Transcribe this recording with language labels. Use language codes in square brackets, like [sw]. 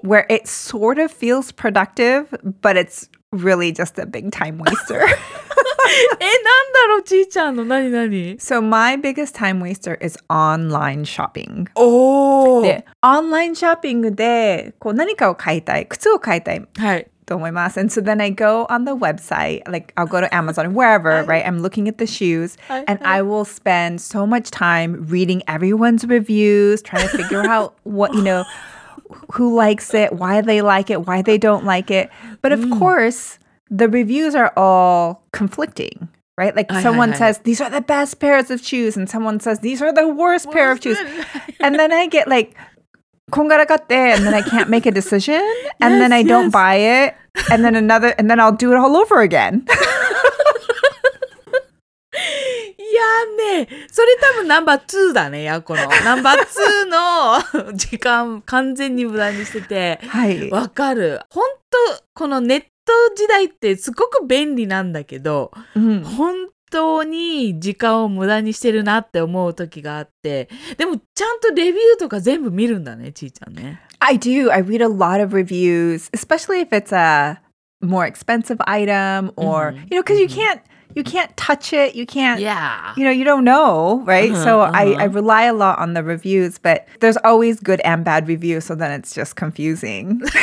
[en] where it sort of feels productive, but it's really just a big time waster. [ja] え、なんだろう、ちーちゃんの、なになに? [en] So my biggest time waster is online shopping. Oh! [ja] で、online shopping で、こう、何かを買いたい、靴を買いたい。はい。と思います。 [en] And so then I go on the website, like I'll go to Amazon, wherever, right? I'm looking at the shoes, and I will spend so much time reading everyone's reviews, trying to figure out what, you know, who likes it, why they like it, why they don't like it. But of course, the reviews are all conflicting, right? Like someone says, these are the best pairs of shoes, and someone says, these are the worst pair of shoes. And then I get like, [ja] こんがらがって [en] and then I can't make a decision yes, and then I don't buy it and then another and then I'll do it all over again. [ja] いやね、それ多分ナンバー2だね、ヤコの。ナンバー2の時間完全に無駄にしてて、はい、わかる。本当このネット時代ってすごく便利なんだけど、本当本当に時間を無駄にしてるなって思う時があって、でもちゃんとレビューとか全部見るんだね、ちーちゃんね。 [en] I do. I read a lot of reviews, especially if it's a more expensive item or, you know, because you can't touch it, you can't, you know, you don't know, right? So I rely a lot on the reviews, but there's always good and bad reviews, so then it's just confusing.